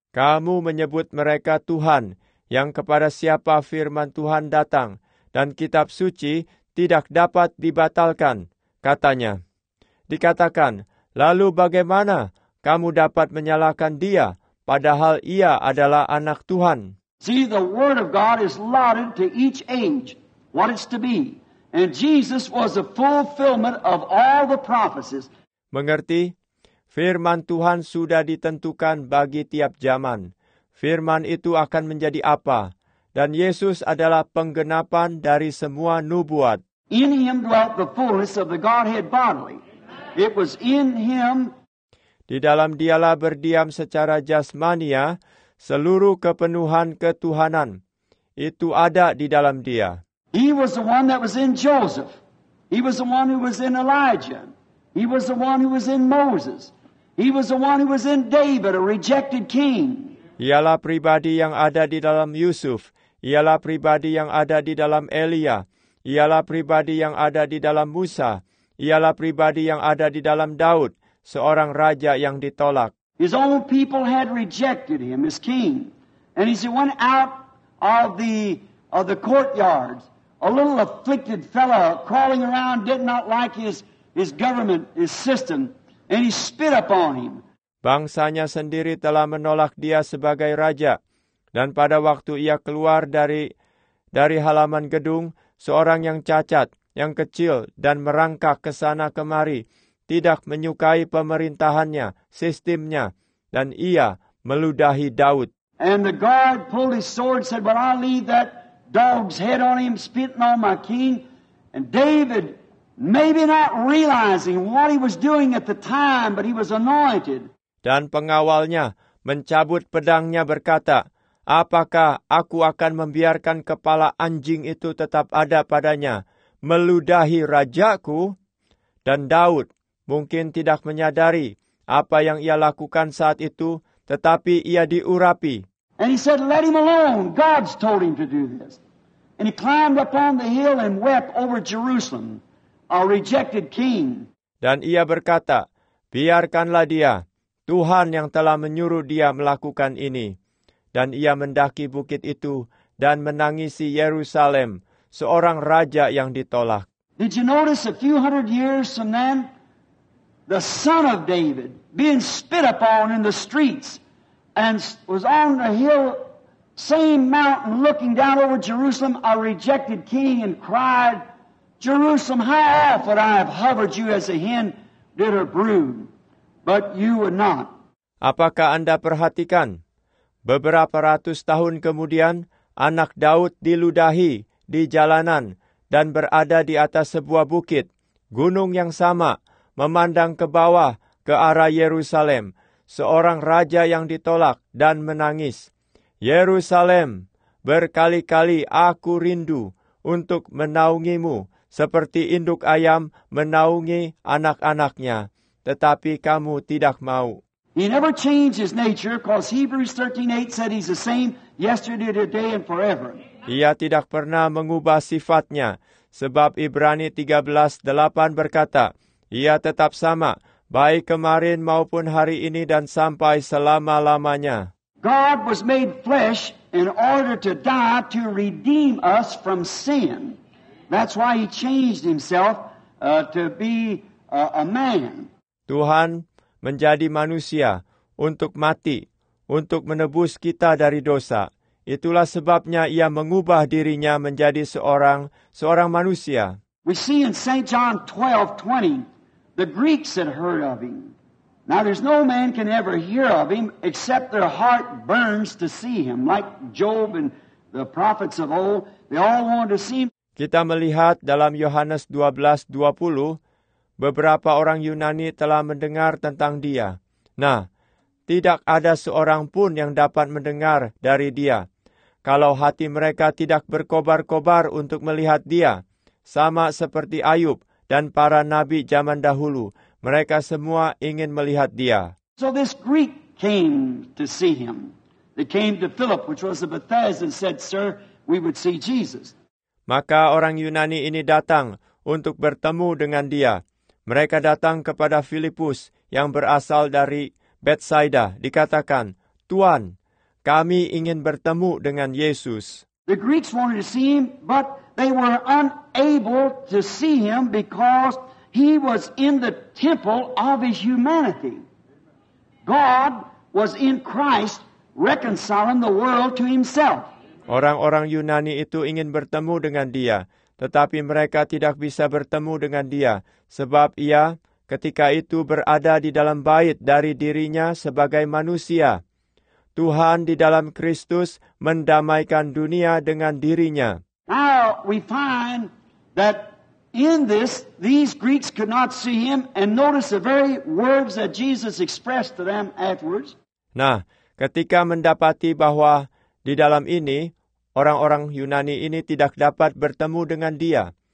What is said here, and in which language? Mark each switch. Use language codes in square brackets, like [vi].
[id] Kamu menyebut mereka Tuhan, yang kepada siapa firman Tuhan datang, dan kitab suci tidak dapat dibatalkan, katanya. Dikatakan, lalu bagaimana kamu dapat menyalahkan dia, padahal ia adalah anak Tuhan? [en] See, the word of God is allotted to each age, what it's to be. And Jesus was the fulfillment of all the prophecies. [id] Mengerti? Firman Tuhan sudah ditentukan bagi tiap zaman. Firman itu akan menjadi apa? Dan Yesus adalah penggenapan dari semua nubuat. [en] In him dwelt the fullness of the Godhead bodily. It was in him. [id] Di dalam dialah berdiam secara jasmania seluruh kepenuhan ketuhanan. Itu ada di dalam dia. [en] He was the one that was in Joseph. He was the one who was in Elijah. He was the one who was in Moses. He was the one who was in David, a rejected king. [id] Ialah pribadi yang ada di dalam Yusuf. Ialah pribadi yang ada di dalam Elia. Ialah pribadi yang ada di dalam Musa. Ialah pribadi yang ada di dalam Daud, seorang raja yang ditolak. [en] His own people had rejected him as king. And he went out of the courtyard, a little afflicted fellow crawling around, did not like his government, his system, and he spit upon him. [id] Bangsanya sendiri telah menolak dia sebagai raja. Dan pada waktu ia keluar dari halaman gedung, seorang yang cacat, yang kecil, dan merangkak ke sana kemari, tidak menyukai pemerintahannya, sistemnya, dan ia meludahi Daud. [en] And the guard pulled his sword, said, "But I'll leave that dog's head on him, spitting on my king." And David, maybe not realizing what he was doing at the time, but he was anointed. [id] Dan pengawalnya mencabut pedangnya berkata, "Apakah aku akan membiarkan kepala anjing itu tetap ada padanya, meludahi rajaku?" Dan Daud mungkin tidak menyadari apa yang ia lakukan saat itu, tetapi ia diurapi. [en] And he said, "Let him alone. God's told him to do this." And he climbed up on the hill and wept over Jerusalem, a rejected king. [id] Dan ia berkata, "Biarkanlah dia. Tuhan yang telah menyuruh dia melakukan ini." Dan ia mendaki bukit itu dan menangisi Yerusalem, seorang raja yang ditolak. [en] Did you notice a few hundred years from then, the son of David being spit upon in the streets and was on the hill, same mountain, looking down over Jerusalem, a rejected king, and cried, "Jerusalem, how often I have hovered you as a hen did her brood, but you were not." [id] Apakah Anda perhatikan? Beberapa ratus tahun kemudian, anak Daud diludahi di jalanan dan berada di atas sebuah bukit, gunung yang sama, memandang ke bawah ke arah Yerusalem, seorang raja yang ditolak dan menangis. "Yerusalem, berkali-kali aku rindu untuk menaungimu seperti induk ayam menaungi anak-anaknya, tetapi kamu tidak mau." [en] He never changed his nature, because Hebrews 13:8 said he's the same yesterday, today, and forever. [id] Ia tidak pernah mengubah sifatnya, sebab Ibrani 13:8 berkata, ia tetap sama, baik kemarin maupun hari ini dan sampai selama-lamanya. [en] God was made flesh in order to die to redeem us from sin. That's why he changed himself to be a man. [id] Tuhan menjadi manusia untuk mati, untuk menebus kita dari dosa. Itulah sebabnya ia mengubah dirinya menjadi seorang manusia. [en] We see in St. John 12:20, the Greeks had heard of him. Now there's no man can ever hear of him except their heart burns to see him. Like Job and the prophets of old, they all wanted to see him. [id] Kita melihat dalam Yohanes 12:20, beberapa orang Yunani telah mendengar tentang dia. Nah, tidak ada seorang pun yang dapat mendengar dari dia. Kalau hati mereka tidak berkobar-kobar untuk melihat dia, sama seperti Ayub dan para nabi zaman dahulu, mereka semua ingin melihat dia. [en] So this Greek came to see him. They came to Philip, which was a Bethesda, and said, "Sir, we would see Jesus." [id] Maka orang Yunani ini datang untuk bertemu dengan dia. Mereka datang kepada Filipus yang berasal dari Betsaida. Dikatakan, "Tuan, kami ingin bertemu dengan Yesus." [en] The Greeks wanted to see him, but they were unable to see him because he was in the temple of his humanity. God was in Christ reconciling the world to himself. [id] Orang-orang Yunani itu ingin bertemu dengan dia, tetapi mereka tidak bisa bertemu dengan dia, sebab ia ketika itu berada di dalam bait dari dirinya sebagai manusia. Tuhan di dalam Kristus mendamaikan dunia dengan dirinya. [en] Now we find that In this, these Greeks could not see him, and notice the very words that Jesus expressed to them afterwards. [id] Nah, ketika mendapati bahwa di dalam ini, orang-orang Yunani ini tidak dapat bertemu dengan dia.